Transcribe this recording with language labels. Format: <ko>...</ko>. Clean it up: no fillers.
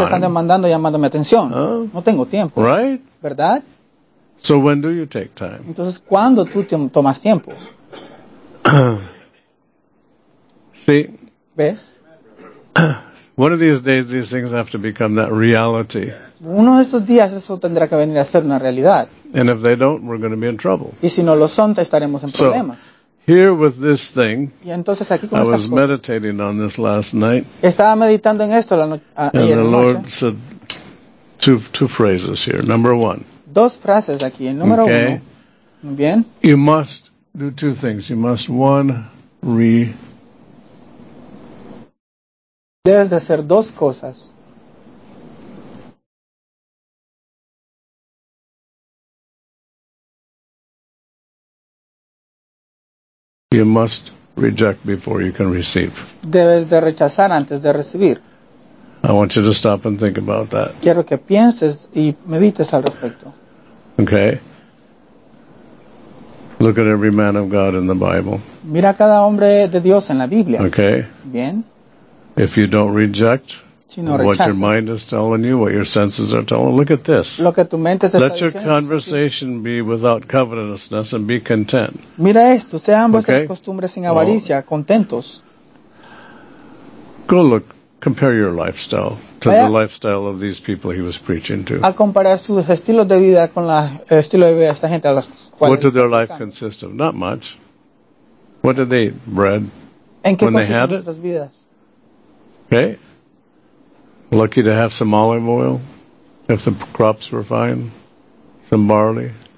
<es>que están demandando y llamando mi atención. Huh? No tengo tiempo.</es> <en>Right?</en> <es>¿Verdad?</es> <en>So when do you take time?</en> <es>Entonces, ¿cuándo tú tomas tiempo?</es> <en>See?</en> <es>¿Ves?</es> <en>One of these days, these things have to become that reality.</en> <es>Uno de estos días, eso tendrá que venir a ser una realidad.</es> <en>And if they don't, we're going to be in trouble.</en> <es>Y si no lo son, estaremos en problemas.</es> <en>So, here with this thing,</en> <es>y entonces, aquí con</es> <en>I</en> <es>estas</es> <en>was</en> <es>cosas,</es> <en>meditating on this last night.</en> <es>Estaba meditando en esto ayer noche.</es> <en>And the Lord said two phrases here. Number one.</en> <es>Dos frases aquí. El número</es> <en>okay.</en> <es>uno. Muy bien.</es> <en>You must do two things. You must, one,</en> <es>debes de hacer dos cosas.</es> <en>You must reject before you can receive.</en> <es>Debes de rechazar antes de recibir.</es> <en>I want you to stop and think about that.</en> <es>Quiero que pienses y medites al respecto.</es> <en>Okay. Look at every man of God in the Bible.</en> <es>Mira cada hombre de Dios en la Biblia.</es> <en>Okay.</en> <es>Bien.</es> <en>If you don't reject</en> <es>si no rechaza,</es> <en>what your mind is telling you, what your senses are telling you, look at this.</en> <es>Lo que tu mente te</es> <en>let</en> <es>está</es> <en>your</en> <es>diciendo,</es> <en>conversation</en> <es>sí.</es> <en>be without covetousness and be content.</en> <es>Mira esto. Sean</es> <en>okay.</en> <es>vuestras costumbres sin avaricia,</es> <en>well,</en> <es>contentos.</es> <en>Go look. Compare your lifestyle to the lifestyle of these people he was preaching to.</en> <es>A comparar sus estilos de vida con la estilo de vida de esta gente a los cuales.</es> <en>What did their life consist of? Not much. What did they eat? Bread.</en> <es>¿En qué</es> <en>when they had it?</en> <es>Vidas?</es> <en>Okay. Lucky to have some olive oil if the crops were fine. Some barley.</en>